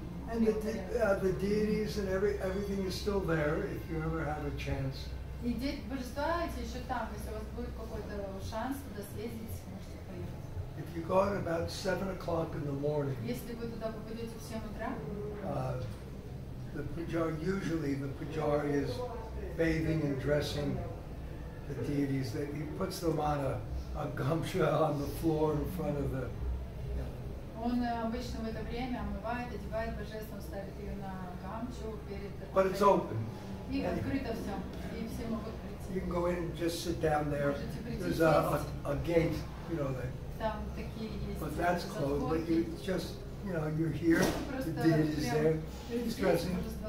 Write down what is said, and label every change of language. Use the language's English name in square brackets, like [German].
[English] And the deities and everything is still there if you ever have a chance. [Russian] И дети божества эти еще там, если у вас будет какой-то шанс туда съездить, сможете поехать. [English] If you go out about 7 o'clock in the morning, [Russian] если вы туда попадете в 7 утра, [English] the pujari, usually the pujari is bathing and dressing the deities. That he puts them on a gumsha on the floor in front of the. [Russian] Он обычно в это время омывает, одевает божеством, ставит ее на гамчу перед. [English] But it's open. [Russian] И открыто все. И все могут прийти. [English] You can go in and just sit down there. There's a gate, you know, that. But that's closed, but you just, you know, you're here, the deity is there, it's dressing.